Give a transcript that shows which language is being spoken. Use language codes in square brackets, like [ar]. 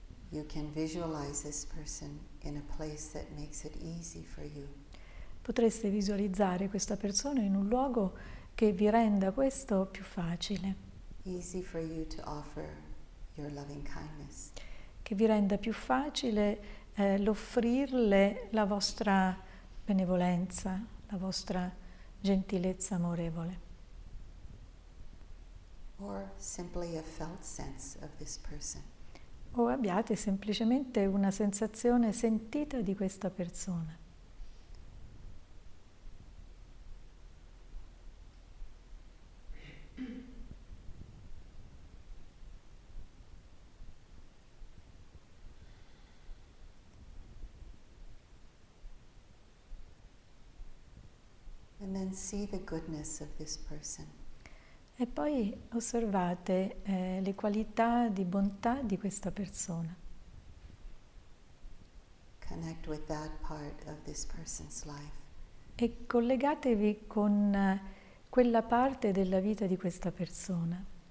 [en] You can visualize this person in a place that makes it easy for you. [it] Potreste visualizzare questa persona in un luogo che vi renda questo più facile. [en] Easy for you to offer your loving kindness. [it] Che vi renda più facile l'offrirle la vostra benevolenza, la vostra gentilezza amorevole. [en] Or simply a felt sense of this person. [it] O abbiate semplicemente una sensazione sentita di questa persona. [en] And then see the goodness of this person. [it] E poi osservate le qualità di bontà di questa persona. [en] Connect with that part of this person's life. [it] E collegatevi con quella parte della vita di questa persona.